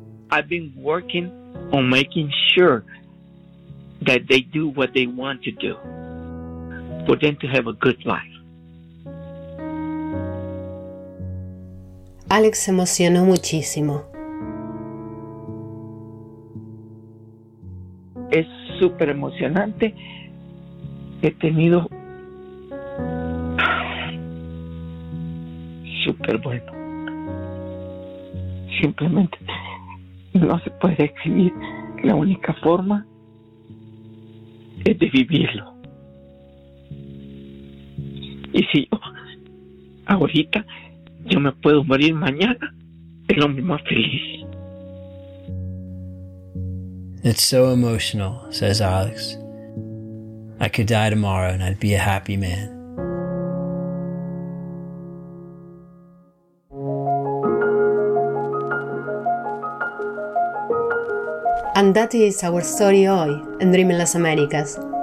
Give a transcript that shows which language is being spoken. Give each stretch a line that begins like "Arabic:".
English: I've been working on making sure that they do what they want to do for them to have a good life.
Spanish: Alex se emocionó muchísimo. Es súper emocionante. He tenido súper bueno. Simplemente no se puede escribir. La única forma es de vivirlo. Y si yo, ahorita, yo me puedo morir mañana, el hombre más feliz.
English: It's so emotional, says Alex. I could die tomorrow and I'd be a happy man. Thank you. And that is our story
Spanish: hoy en
English: Dreaming Las Americas.